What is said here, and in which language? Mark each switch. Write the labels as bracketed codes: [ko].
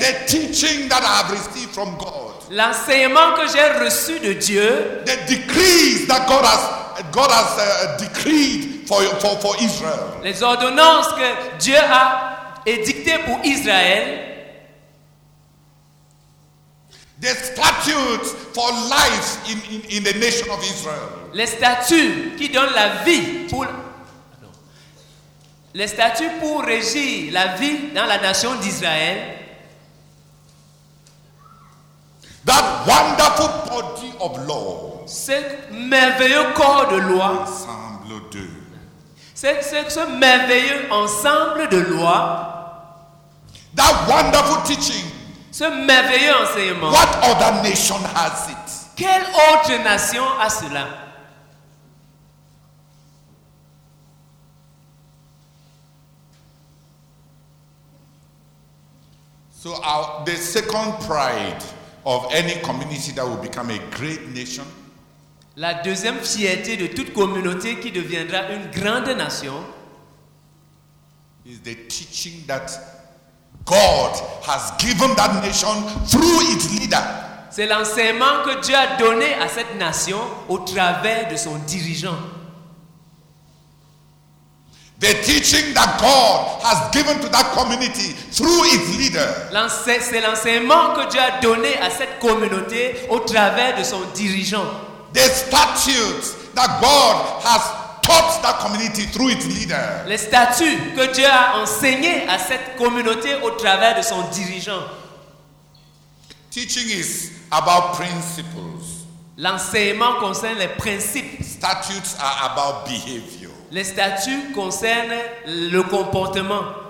[en] The teaching that I have received from God. [fr] L'enseignement que j'ai reçu de Dieu. [en] The decrees that God has decreed for Israel. [fr] Les ordonnances que Dieu a édictées pour Israël. [en] The statutes for life in the nation of Israel. [fr] Les statuts qui donnent la vie pour les statuts pour régir la vie dans la nation d'Israël. [en] That wonderful body of law. [fr] Ce merveilleux corps de loi. Ensemble de. Ce merveilleux ensemble de loi. [en] That wonderful teaching. [fr] Ce merveilleux enseignement. [en] What other nation has it? [fr] Quelle autre nation a cela? [en] So the second pride of any community that will become a great nation. [fr] La deuxième fierté de toute communauté qui deviendra une grande nation [en] is the teaching that God has given that nation through its leader. [fr] C'est l'enseignement que Dieu a donné à cette nation au travers de son dirigeant. [en] The teaching that God has given to that community through its leader. [fr] C'est l'enseignement que Dieu a donné à cette communauté au travers de son dirigeant. [en] The statutes that God has taught that community through its leader. [fr] Les statuts que Dieu a enseigné à cette communauté au travers de son dirigeant. [en] Teaching is about principles. [fr] L'enseignement concerne les principes. [en] Statutes are about behavior. [fr] Les statuts concernent le comportement.